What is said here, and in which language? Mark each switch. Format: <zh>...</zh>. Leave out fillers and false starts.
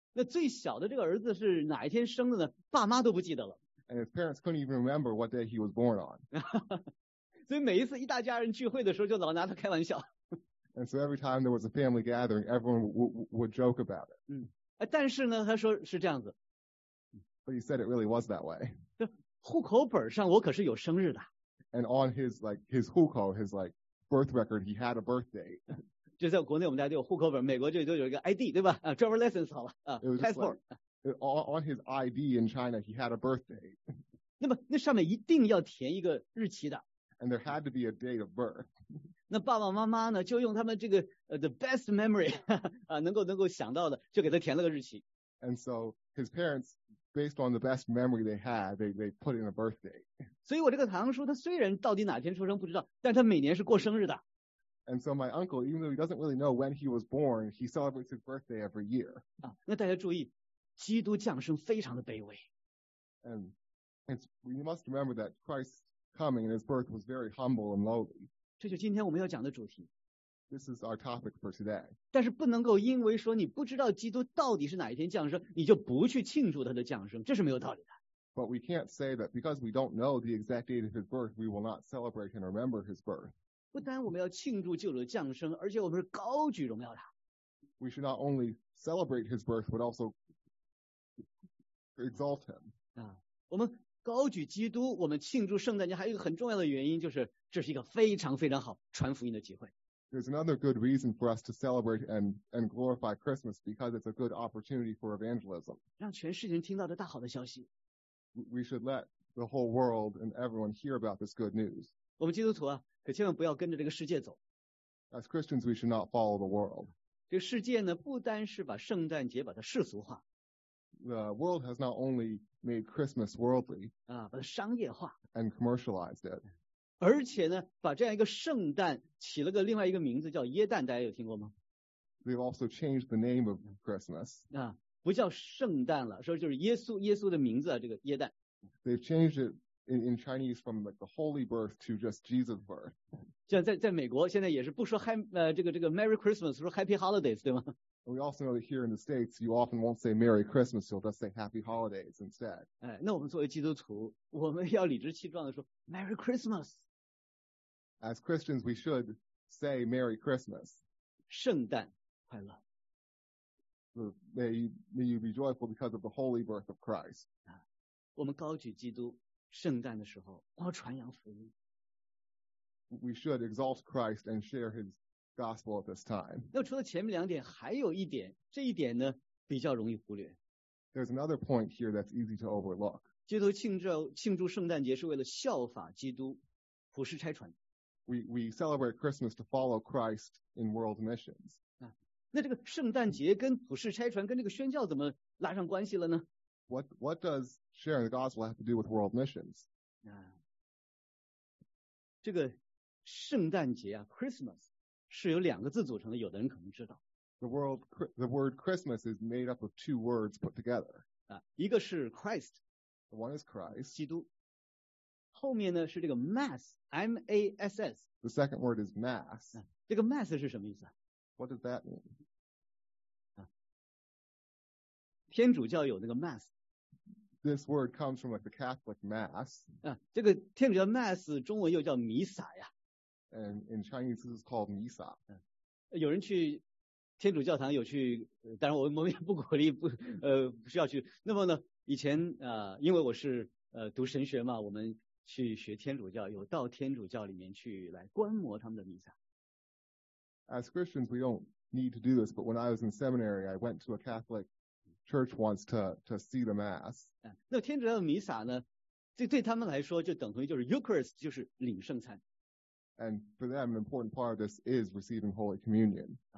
<zh>那最小的这个儿子是哪一天生的呢？爸妈都不记得了。</zh> <en>And his parents couldn't even remember what day he was born on.</en> <zh>所以每一次一大家人聚会的时候，就老拿他开玩笑。</zh> <en>And so every time there was a family gathering, everyone would joke about it.</en> <zh>但是呢，他说是这样子。</zh> <en>But he said it really was that way.</en> <zh>户口本上我可是有生日的。</zh> <en>And on his 户口 his like birth record, he had a birthday.</en> <zh>就在国内我们家都有户口本，美国就有一个 ID 对吧？</zh> <en>啊 ，driver license</en> <zh>好了啊</zh> <en>，passport. On his ID in China, he had a birthday.</en> <zh>那么那上面一定要填一个日期的。</zh> <en>And there had to be a date of birth.</en> <zh>那爸爸妈妈呢，就用他们这个</zh> <en>the best memory</en> <zh>啊，能够想到的，就给他填了个日期。</zh> <en>And so his parents. Based on the best memory they had, they put in a birthday.</en> <zh>所以我这个堂叔他虽然到底哪天出生不知道，但他每年是过生日的。</zh> <en>And so my uncle, even though he doesn't really know when he was born, he celebrates his birthday every year.</en> <zh>那大家注意，基督降生非常的卑微。</zh> <en>And we must remember that Christ's coming and his birth was very humble and lowly.</en> <zh>这就是今天我们要讲的主题。</zh> <en>This is our topic for today.</en> <zh>但是不能够因为说你不知道基督到底是哪一天降生，你就不去庆祝他的降生，这是没有道理的。</zh> <en>But we can't say that because we don't know the exact date of his birth, we will not celebrate and remember his birth.</en> <zh>不单我们要庆祝救主的降生，而且我们是高举荣耀的。</zh> <en>We should not only celebrate his birth, but also exalt him.</en> <zh>我们高举基督，我们庆祝圣诞节，还有一个很重要的原因就是，这是一个非常非常好传福音的机会。</zh> <en>There's another good reason for us to celebrate and glorify Christmas because it's a good opportunity for evangelism.</en> <zh>让全世界听到这大好的消息。</zh> <en>We should let the whole world and everyone hear about this good news.</en> <zh>我们基督徒啊，可千万不要跟着这个世界走。</zh> <en>As Christians, we should not follow the world.</en> <zh>这个世界呢，不单是把圣诞节把它世俗化。</zh> <en>The world has not only made Christmas worldly.</en> <zh>把它商业化。</zh> <en>And commercialized it.</en> <zh>而且呢，把这样一个圣诞起了个另外一个名字，叫耶诞，大家有听过吗</zh> <en>？They've also changed the name of Christmas.</en> <zh>不叫圣诞了，说就是耶稣的名字啊，这个耶诞。</zh> <en>They've changed it in Chinese from like the Holy Birth to just Jesus Birth.</en> <zh>像在美国，现在也是不说 这个</zh> <en>Merry Christmas，</en> <zh>说</zh> <en>Happy Holidays，</en> <zh>对吗</zh> <en>？We also know that here in the States, you often won't say Merry Christmas, you'll just say Happy Holidays instead.</en> <zh>那我们作为基督徒，我们要理直气壮的说</zh> <en>Merry Christmas。 As Christians, we should say Merry Christmas.</en> <zh>圣诞快乐。</zh> <en>May you be joyful because of the holy birth of Christ.</en> <zh>我们高举基督圣诞的时候，然后传扬福音。</zh> <en>We should exalt Christ and share his gospel at this time.</en> <zh>那除了前面两点，还有一点，这一点呢比较容易忽略。</zh> <en>There's another point here that's easy to overlook.</en> <zh>基督庆祝圣诞节是为了效法基督，普世差传。</zh> <en>We celebrate Christmas to follow Christ in world missions.</en> <zh>那这个圣诞节跟普世差传跟这个宣教怎么拉上关系了呢？</zh> <en>What does sharing the gospel have to do with world missions?</en> <zh>这个圣诞节啊, Christmas 是由两个字组成的, 有的人可能知道。</zh> <en>The word Christmas is made up of two words put together.</en> <zh>一个是 Christ,</zh> <en>the one is Christ,</en> <zh>基督。后面呢, 是这个 Mass, M-A-S-S。</zh> <en>The second word is Mass.</en> <zh>这个 Mass 是什么意思啊?</zh> <en>What does that mean?</en> <zh>天主教有那个 Mass。</zh> <en>This word comes from like the Catholic Mass.</en> <zh>这个天主教 Mass 中文又叫弥撒呀。</zh> <en>And in Chinese, this is called 弥撒。</en> <zh>有人去天主教堂有去, 当然我们也不鼓励不需要去。那么呢,以前, 因为我是, 读神学嘛, 我们去学天主教, 有到天主教里面去来观摩他们的弥撒。</zh> <en>As Christians, we don't need to do this, but when I was in seminary, I went to a Catholic church once to see the Mass.</en> <zh>那天主教的弥撒呢, 对他们来说就等同于就是 Eucharist, 就是领圣餐。</zh> <en>And for them, an important part of this is receiving Holy Communion.</en>